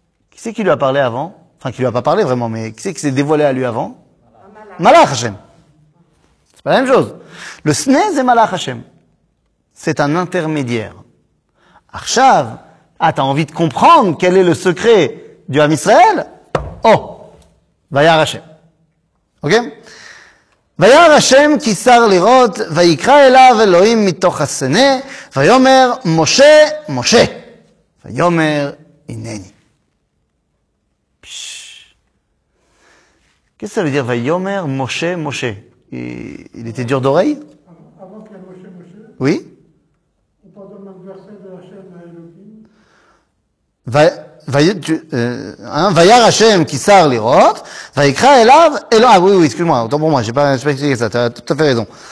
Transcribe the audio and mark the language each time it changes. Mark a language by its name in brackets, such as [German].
[French] Qui c'est qui lui a parlé avant? Enfin, qui lui a pas parlé vraiment, mais qui c'est qui s'est dévoilé à lui avant? Malach Hashem. C'est pas la même chose. Le Sne, c'est Malach Hashem. C'est un intermédiaire. Arshav. Ah, t'as envie de comprendre quel est le secret du Ham Israël? Oh! Vayar Hashem. Ok? [Hebrew] ויאר השם כי שר לראות ויקרא אליו אלוהים מתוך הסנה ויאמר משה משה ויאמר הנני. [French] Qu'est-ce que ça veut dire [Hebrew] ויאמר משה משה? [French] Il était dur d'oreille? Avant qu'il y a [Hebrew] משה משה? [French] Oui. On parle de l'adversaire de Hashem à Hein, Vayar Hashem qui sert les rotes, Vaikra Elav, Elohim, ah oui, oui, excuse-moi, autant pour moi, j'ai pas expliqué ça, t'as tout à fait raison.